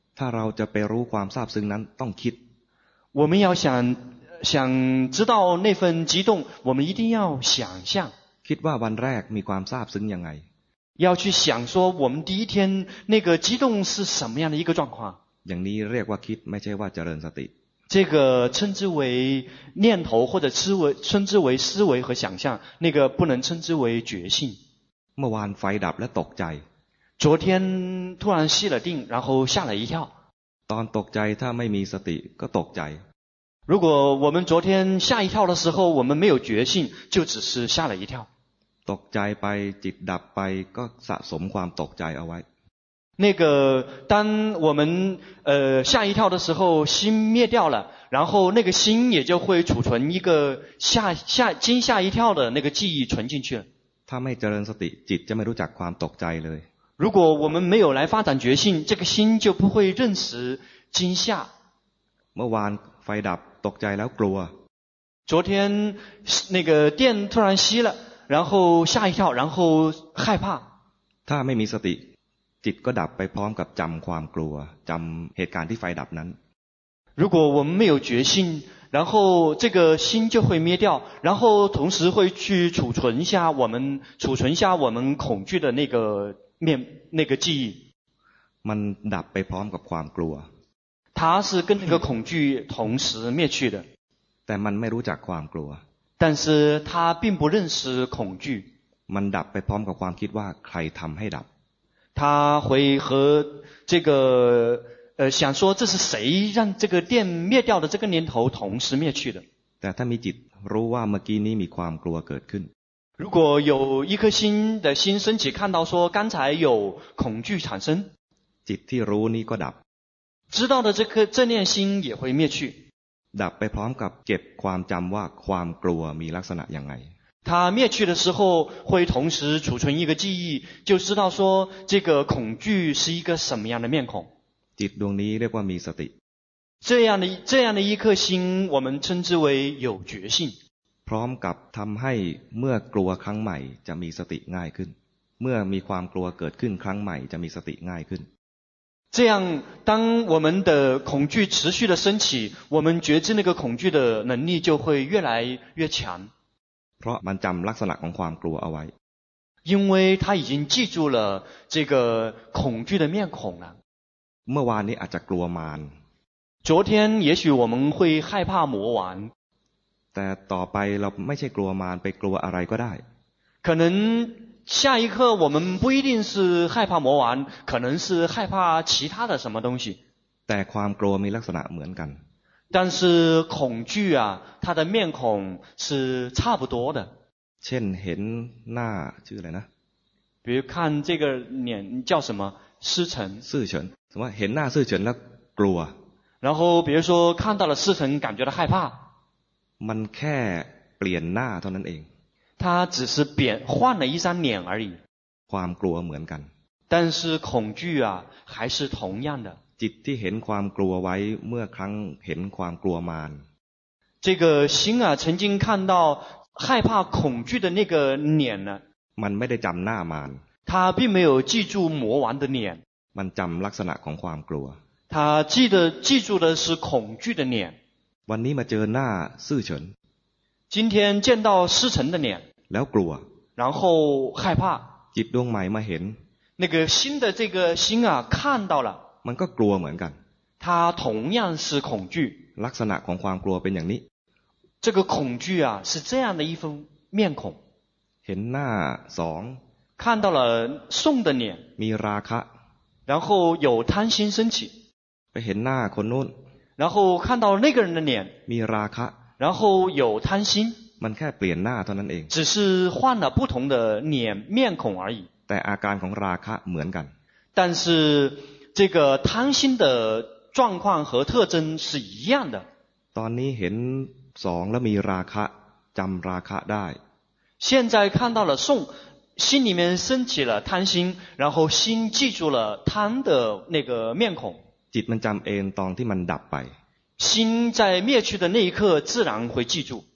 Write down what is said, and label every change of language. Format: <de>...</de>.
<th>ถ้าเราจะไปรู้ความซาบซึ้งนั้นต้องคิด</th> <zh>我们要想知道那份激动我们一定要想象</zh> <th>คิดว่าวันแรกมีความซาบซึ้งยังไง</th> <zh>要去想说我们第一天那个激动是什么样的一个状况</zh> <th>อย่างนี้เรียกว่าคิดไม่ใช่ว่าเจริญสติ</th> <zh>这个称之为念头或者称之为思维和想象那个不能称之为觉性</zh> <th>เมื่อวานไฟดับและตกใจ</th> <zh>昨天突然熄了定然后吓了一跳</zh> <th>ตอนตกใจถ้าไม่มีสติก็ตกใจ</th> <zh>如果我们昨天吓一跳的时候我们没有觉性就只是吓了一跳</zh> <th>ตกใจไปจิตดับไปก็สะสมความตกใจเอาไว้</th> <zh>那个当我们吓一跳的时候心灭掉了然后那个心也就会储存一个惊吓一跳的那个记忆存进去</zh> <th>ถ้าไม่เจริญสติจิตจะไม่รู้จักความตกใจเลย</th> <zh>如果我们没有来发展觉性这个心就不会认识惊吓</zh> <th>เมื่อวานไฟดับตกใจแล้วกลัว</th> <zh>昨天那个电突然熄了然后吓一跳然后害怕</zh> <th>ถ้าไม่มีสติจิตก็ดับไปพร้อมกับจําความกลัวจําเหตุการณ์ที่ไฟดับนั้น</th> <zh>如果我们没有觉性然后这个心就会灭掉然后同时会去储存下我们恐惧的那个记忆</zh> <th>มันดับไปพร้อมกับความกลัว</th> <zh>它是跟那个恐惧同时灭去的</zh> <th>แต่มันไม่รู้จักความกลัว</th> <zh>但是它并不认识恐惧</zh> <th>มันดับไปพร้อมกับความคิดว่าใครทำให้ดับ</th> <zh>它会和这个想说这是谁让这个电灭掉的这个念头同时灭去的</zh> <th>แต่ถ้ามีจิตรู้ว่าเมื่อกี้นี้มีความกลัวเกิดขึ้น</th> <zh>如果有一颗心的心升起看到说刚才有恐惧产生</zh> <th>จิตที่รู้นี้ก็ดับ</th> <zh>知道的这念心也会灭去</zh> <th>ดับไปพร้อมกับเก็บความจำว่าความกลัวมีลักษณะยังไง</th> <zh>它灭去的时候会同时储存一个记忆就知道说这个恐惧是一个什么样的面孔</zh> <th>จิตดวงนี้เรียกว่ามีสติ</th> <zh>这样的一颗心我们称之为有觉性</zh> <th>พร้อมกับทำให้เมื่อกลัวครั้งใหม่จะมีสติง่ายขึ้นเมื่อมีความกลัวเกิดขึ้นครั้งใหม่จะมีสติง่ายขึ้น</th> <zh>这样当我们的恐惧持续的升起，我们觉知那个恐惧的能力就会越来越强。</zh> <th>เพราะมันจำลักษณะของความกลัวเอาไว้</th> <zh>因为他已经记住了这个恐惧的面孔了。</zh> <th>เมื่อวานนี้อาจจะกลัวมาร</th> <zh>昨天也许我们会害怕魔王</zh> <th>แต่ต่อไปเราไม่ใช่กลัวมารไปกลัวอะไรก็ได้</th> <zh>可能下一刻我们不一定是害怕魔王可能是害怕其他的什么东西</zh> <th>แต่ความกลัวมีลักษณะเหมือนกัน</th> <zh>但是恐惧啊它的面孔是差不多的</zh> <th>เช่นเห็นหน้าชื่ออะไรนะ</th> <zh>比如看这个脸叫什么师臣师臣什么</zh> <th>เห็นหน้าสื่อเฉินแล้วกลัว</th> <zh>然后比如说看到了师臣感觉到害怕</zh> <th>มันแค่เปลี่ยนหน้าเท่านั้นเอง</th> <zh>他只是变换了一张脸而已</zh> <th>ความกลัวเหมือนกัน</th> <zh>但是恐惧啊还是同样的</zh> <th>จิตที่เห็นความกลัวไว้เมื่อครั้งเห็นความกลัวมาร</th> <zh>这个心啊曾经看到害怕恐惧的那个脸呢</zh> <th>มันไม่ได้จำหน้ามาร</th> <zh>他并没有记住魔王的脸</zh> <th>มันจำลักษณะของความกลัว</th> <zh>他记住的是恐惧的脸</zh> <th>วันนี้มาเจอหน้าซื่อเฉิน</th> <zh>今天见到师承的脸</zh> <th>แล้วกลัว</th> <zh>然后害怕</zh> <th>จิตดวงใหม่มาเห็น</th> <zh>那个新的这个心啊看到了</zh> <th>มันก็กลัวเหมือนกัน</th> <zh>他同样是恐惧</zh> <th>ลักษณะของความกลัวเป็นอย่างนี้</th> <zh>这个恐惧啊是这样的一份面孔</zh> <th>เห็นหน้าสอง</th> <zh>看到了送的脸</zh> <th>มีราคะ</th> <zh>然后有贪心升起</zh> <th>ไปเห็นหน้าคนโน้น</th> <zh>然后看到那个人的脸</zh> <th>มีราคะ</th> <zh>然后有贪心</zh> <th>มันแค่เปลี่ยนหน้าเท่านั้นเอง</th> <zh>只是换了不同的脸面孔而已</zh> <th>แต่อาการของราคะเหมือนกัน</th> <zh>但是这个贪心的状况和特征是一样的</zh> <th>ตอนนี้เห็นสองแล้วมีราคะจำราคะได้</th> <zh>现在看到了送心里面升起了贪心然后心记住了贪的那个面孔</zh> <th>จิตมันจำเองตอนที่มันดับไป</th> <zh>心在灭去的那一刻自然会记住</zh>